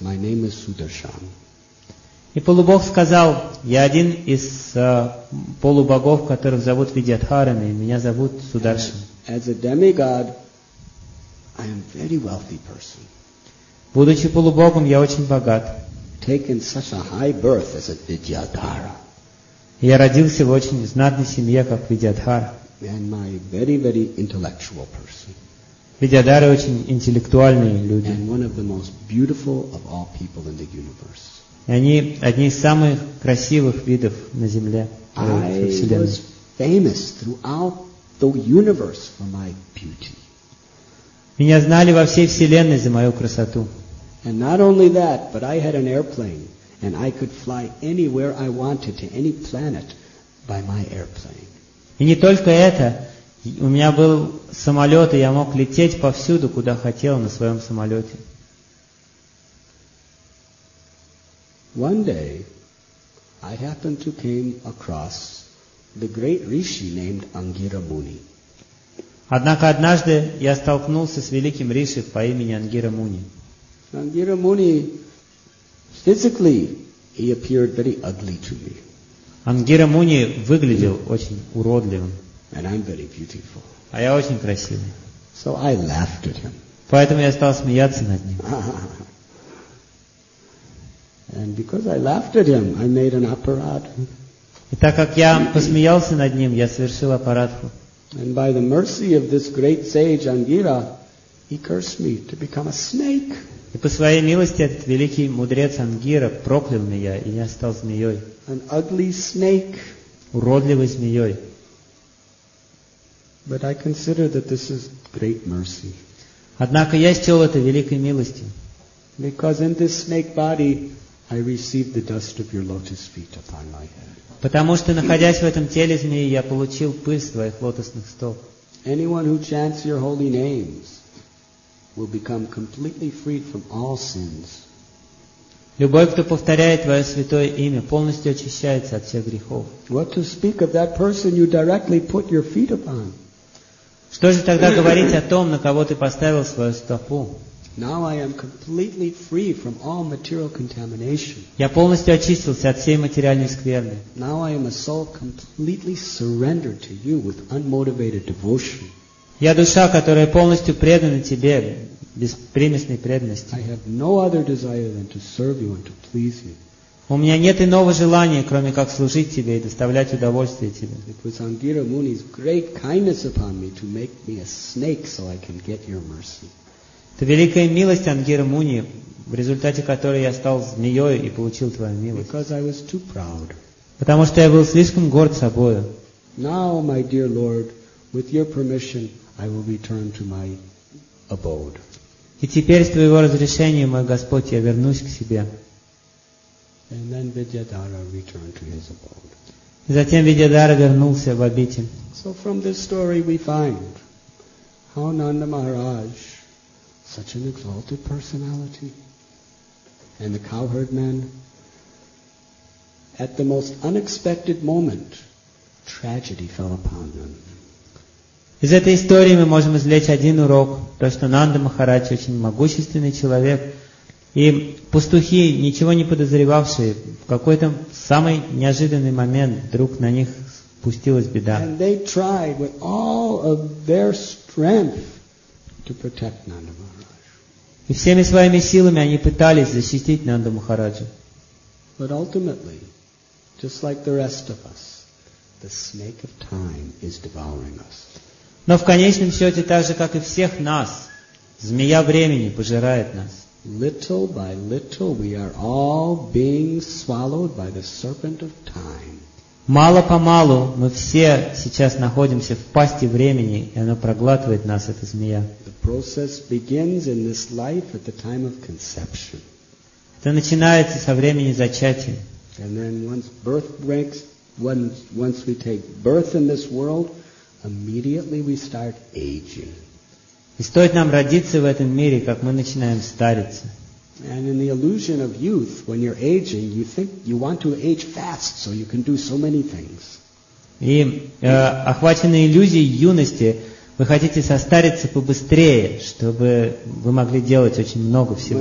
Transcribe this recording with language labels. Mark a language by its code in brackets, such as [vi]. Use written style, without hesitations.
[en] My name is Sudarshan. [ru] И полубог сказал, я один из полубогов, которых зовут Видьядхарами, меня зовут Сударшан. [en] As a demigod, I am very wealthy person. [ru] Будучи полубогом, я очень богат. [en] Taken such a high birth as a Vidyadhara. [ru] Я родился в очень знатной семье, как Видьядхара. [en] And my very, very intellectual person. [ru] Видьядхары очень интеллектуальные люди. [en] And one of the most beautiful of all people in the universe. [ru] И они одни из самых красивых видов на Земле, во Вселенной. [en] I was famous throughout the universe for my beauty. [ru] Меня знали во всей Вселенной за мою красоту. [en] And not only that, but I had an airplane, and I could fly anywhere I wanted to any planet by my airplane. [ru] И не только это, у меня был самолет, и я мог лететь повсюду, куда хотел, на своем самолете. [en] One day, I happened to came across the great rishi named Ангира Муни. [ru] Однако однажды я столкнулся с великим риши по имени Ангира Муни. [en] Ангира Муни, physically, he appeared very ugly to me. [ru] Ангира Муни выглядел очень уродливым. [en] And I'm very beautiful. [ru] А я очень красивый. [en] So I laughed at him. [ru] Поэтому я стал смеяться над ним. [en] And because I laughed at him, I made an apparat. [ru] И так как я посмеялся над ним, я совершил аппаратху. [en] And by the mercy of this great sage Ангира, he cursed me to become a snake. [ru] И по своей милости этот великий мудрец Ангира проклял меня, и я стал змеей. [en] An ugly snake. [ru] Уродливой змеей. [en] But I consider that this is great mercy. [ru] Однако я счел это великой милостью. [en] Because in this snake body, I received the dust of your lotus feet upon my head. [ru] Потому что находясь в этом теле змеи, я получил пыль твоих лотосных стоп. [en] Anyone who chants your holy names will become completely freed from all sins. [ru] Любой, кто повторяет твое святое имя, полностью очищается от всех грехов. [en] What to speak of that person you directly put your feet upon? [ru] Что же тогда говорить о том, на кого ты поставил свою стопу? [en] Now I am completely free from all material contamination. [ru] Я полностью очистился от всей материальной скверны. [en] Now I am a soul completely surrendered to you with unmotivated devotion. [ru] Я душа, которая полностью предана тебе без примесной преданности. [en] I have no other desire than to serve you and to please you. [ru] У меня нет иного желания, кроме как служить тебе и доставлять удовольствие тебе. [en] It was Ангира Муни's great kindness upon me to make me a snake so I can get your mercy. [ru] Это великая милость Ангира Муни, в результате которой я стал змеей и получил твою милость. [en] Because I was too proud. [ru] Потому что я был слишком горд собою. [en] Now, my dear Lord, with your permission, I will return to my abode. [ru] И теперь, с твоего разрешения, мой Господь, я вернусь к себе. [en] And then Vidyadhara returned to his abode. [ru] И затем Видьядхара вернулся в обитель. [en] So from this story we find how Nanda Maharaj, such an exalted personality, and the cowherd men, at the most unexpected moment, tragedy fell upon them. [ru] Из этой истории мы можем извлечь один урок, то что Нанда Махарадж очень могущественный человек, и пастухи, ничего не подозревавшие, в какой-то самый неожиданный момент вдруг на них спустилась беда. [en] And they tried with all of their strength to protect Nanda Maharaj. [ru] И всеми своими силами они пытались защитить Нанду Махараджу. [en] But ultimately, just like the rest of us, the snake of time is devouring us. [ru] Но в конечном счете, так же, как и всех нас, змея времени пожирает нас. [en] Little by little we are all being swallowed by the serpent of time. [ru] Мало-помалу мы все сейчас находимся в пасти времени, и оно проглатывает нас, эта змея. [en] The process begins in this life at the time of conception. [ru] Это начинается со времени зачатия. [en] And then once birth breaks, once we take birth in this world, immediately we start aging. [ru] И стоит нам родиться в этом мире, как мы начинаем стариться. [en] And in the illusion of youth, when you're aging, you think you want to age fast so you can do so many things. [ru] И охваченные иллюзией юности, вы хотите состариться побыстрее, чтобы вы могли делать очень много всего.